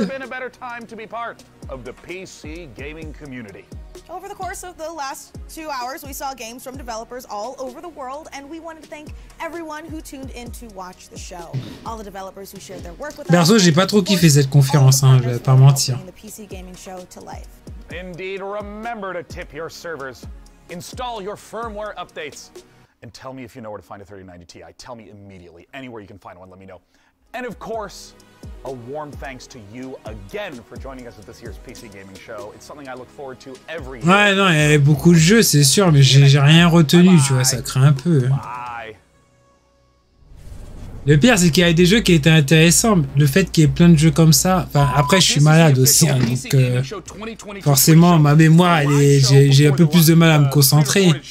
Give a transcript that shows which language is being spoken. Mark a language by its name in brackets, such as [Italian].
[English] Over the course of the last 2 hours, we saw games from developers all over the world, and we wanted to thank everyone who tuned in to watch the show. All the developers who shared their work with us. [French] Perso, j'ai pas trop kiffé cette conférence, hein, je vais pas mentir. [English] The PC gaming show to life. Indeed, remember to tip your servers, install your firmware updates, and tell me if you know where to find a 3090 Ti. Tell me immediately. Anywhere you can find one, let me know. And of course, a warm thanks to you again for joining us at this year's PC Gaming Show. It's something I look forward to every year. [French] Ouais, non, il y avait beaucoup de jeux, c'est sûr, mais j'ai rien retenu, tu vois, ça craint un peu. Le pire, c'est qu'il y avait des jeux qui étaient intéressants. Le fait qu'il y ait plein de jeux comme ça... Enfin, après, je suis malade aussi, hein, donc... forcément, ma mémoire, elle est, j'ai un peu plus de mal à me concentrer.